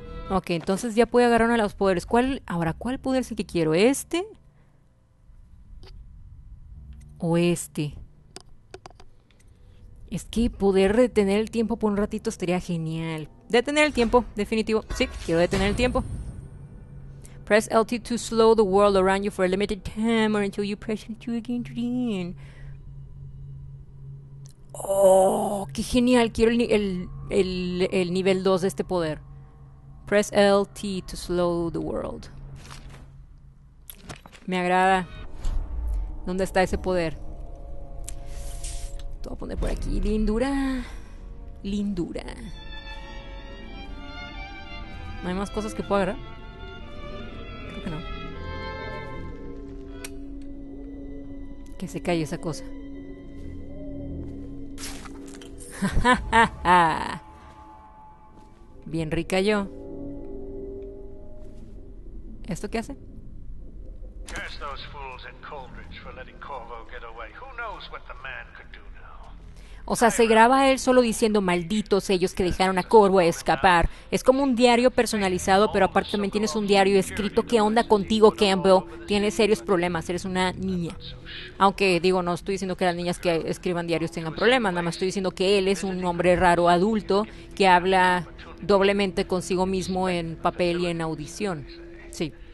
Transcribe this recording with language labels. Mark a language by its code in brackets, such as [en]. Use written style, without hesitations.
[es] Ok, entonces ya puedo agarrar uno de los poderes. ¿Cuál? Ahora, ¿cuál poder es el que quiero? ¿Este? ¿O este? Es que poder detener el tiempo por un ratito estaría genial. Detener el tiempo, definitivo. Sí, quiero detener el tiempo. [en] Press LT to slow the world around you for a limited time or until you press LT again to the end. [es] Oh, qué genial. Quiero el nivel 2 de este poder. [en] Press LT to slow the world. [es] Me agrada. ¿Dónde está ese poder? Te voy a poner por aquí. Lindura. Lindura. ¿No hay más cosas que pueda agarrar? Creo que no. Que se calle esa cosa. Bien rica yo. ¿Esto qué hace? [en] Curse those fools at Coldridge for letting Corvo get away. Who knows what the man could do now? [es] O sea, se graba a él solo diciendo malditos ellos que dejaron a Corvo a escapar. Es como un diario personalizado, pero aparte también tienes un diario escrito. ¿Qué onda contigo, Campbell? Tienes serios problemas, eres una niña. Aunque, digo, no estoy diciendo que las niñas que escriban diarios tengan problemas, nada más estoy diciendo que él es un hombre raro adulto que habla doblemente consigo mismo en papel y en audición. Sí.